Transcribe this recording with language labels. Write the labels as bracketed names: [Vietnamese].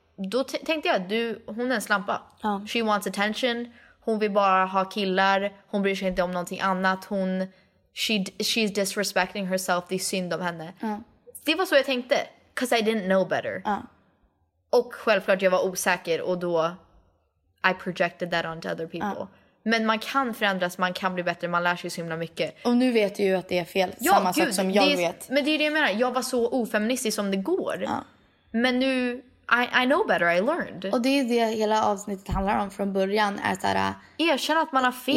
[Swedish] Då tänkte jag, hon är en slampa. [English] Oh. She wants attention. [Swedish] Hon vill bara ha killar. Hon bryr sig inte om någonting annat. [English] She's disrespecting herself. [Swedish] Det är synd om henne. Mm. Det var så jag tänkte. [English] Because I didn't know better. [Swedish] Och självklart, jag var osäker. Och då, [English] I projected that onto other people. [Swedish] Men man kan förändras, man kan bli bättre. Man lär sig så himla mycket. Och nu vet du ju att det är fel. Ja, samma gud, sak som jag vet. Men det är det jag menar. Jag var så ofeministisk som det går. Men nu... [English] I know better, I learned. [Swedish] Och det är det hela avsnittet handlar om från början. Är så här, erkänna att man har fel.